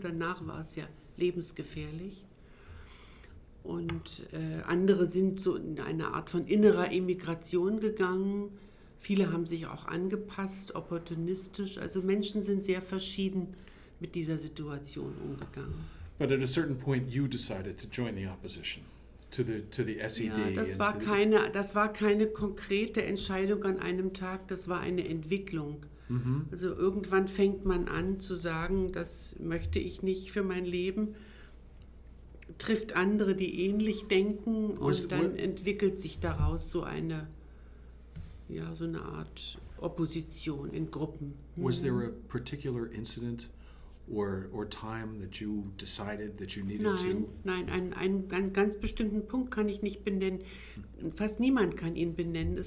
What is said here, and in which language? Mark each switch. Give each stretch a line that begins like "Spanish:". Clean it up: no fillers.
German: Danach war es ja lebensgefährlich. Und andere sind so in eine Art von innerer Emigration gegangen. Viele haben sich auch angepasst, opportunistisch. Also Menschen sind sehr verschieden mit dieser Situation umgegangen.
English: But at a certain point you decided to join the opposition, to the SED.
German: Ja, das war keine konkrete Entscheidung an einem Tag, das war eine Entwicklung. Mhm. Also irgendwann fängt man an zu sagen, das möchte ich nicht für mein Leben, trifft andere, die ähnlich denken, und dann entwickelt sich daraus so eine, ja, so eine Art Opposition in Gruppen.
English: Was there a particular incident or time that you decided that you needed
German: Nein, einen ganz bestimmten Punkt kann ich nicht benennen. Fast niemand kann ihn benennen.